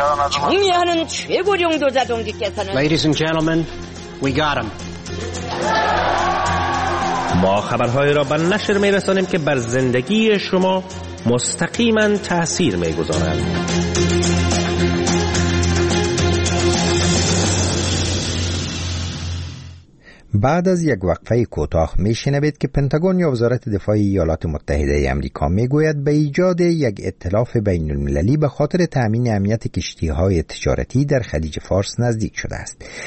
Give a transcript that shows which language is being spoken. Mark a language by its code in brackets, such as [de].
[en] چونیانن چه بریونگ دو زدونگی کسانه. Ladies and gentlemen, we got him. [fa] ما خبرهای را به نشر می رسانیم که بر زندگی شما مستقیما تأثیر می گذارند. بعد از یک وقفه کوتاه می شنوید که پنتاگون یا وزارت دفاع ایالات متحده آمریکا می گوید به ایجاد یک ائتلاف بین المللی به خاطر تأمین امنیت کشتی های تجارتی در خلیج فارس نزدیک شده است.